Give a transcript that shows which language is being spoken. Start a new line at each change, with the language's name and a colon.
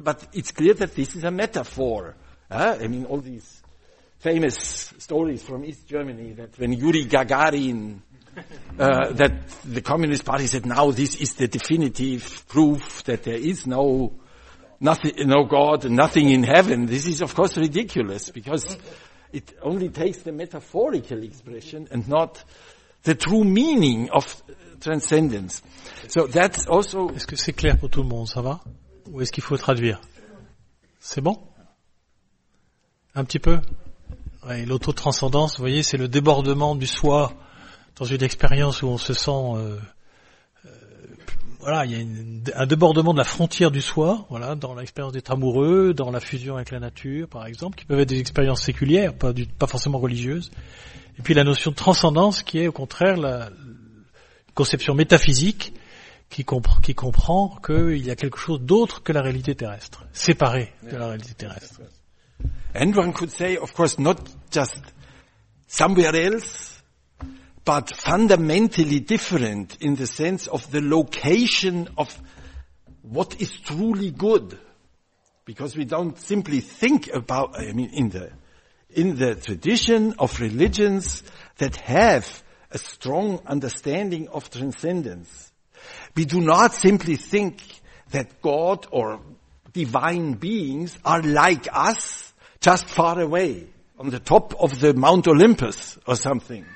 English: But it's clear that this is a metaphor. I mean, all these famous stories from East Germany that when Yuri Gagarin, that the Communist Party said, now this is the definitive proof that there is no God, nothing in heaven. This is, of course, ridiculous, because it only takes the metaphorical expression and not the true meaning of transcendence. So that's also...
French: Est-ce que c'est clair pour tout le monde, ça va? Ou est-ce qu'il faut traduire? C'est bon? Un petit peu? Ouais, l'autotranscendance, vous voyez, c'est le débordement du soi dans une expérience où on se sent... il y a un débordement de la frontière du soi, voilà, dans l'expérience d'être amoureux, dans la fusion avec la nature, par exemple, qui peuvent être des expériences séculières, pas forcément religieuses. Et puis la notion de transcendance, qui est au contraire la conception métaphysique, qui comprend qu'il y a quelque chose d'autre que la réalité terrestre, séparé de la réalité terrestre.
English: And one could say, of course, not just somewhere else, but fundamentally different in the sense of the location of what is truly good. Because we don't simply think about, in the tradition of religions that have a strong understanding of transcendence, we do not simply think that God or divine beings are like us, just far away, on the top of the Mount Olympus or something.